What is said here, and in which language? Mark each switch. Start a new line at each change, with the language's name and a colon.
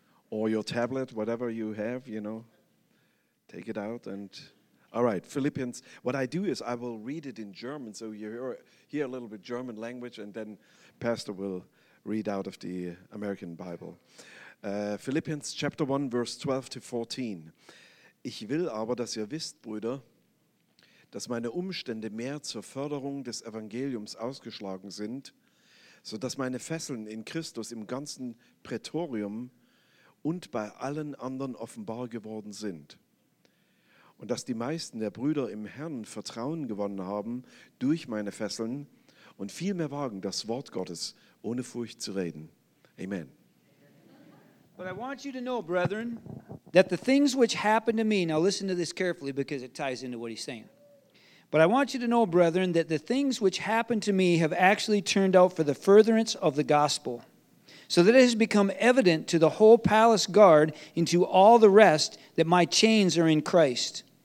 English: Or your tablet, whatever you have, you know, take it out. And all right, Philippians. What I do is I will read it in German. So you hear a little bit German language and then Pastor will read out of the American Bible. Philippians chapter 1, verse 12 to 14.
German: Ich will aber, dass ihr wisst, Brüder, dass meine Umstände mehr zur Förderung des Evangeliums ausgeschlagen sind, so dass meine Fesseln in Christus im ganzen Prätorium und bei allen anderen offenbar geworden sind. Und dass die meisten der Brüder im Herrn Vertrauen gewonnen haben durch meine Fesseln und vielmehr wagen, das Wort Gottes ohne Furcht zu reden. Amen.
English: But I want you to know, brethren, that the things which happened to me, now listen to this carefully because it ties into what he's saying. But I want you to know, brethren, that the things which happened to me have actually turned out for the furtherance of the gospel, so that it has become evident to the whole palace guard and to all the rest that my chains are in Christ.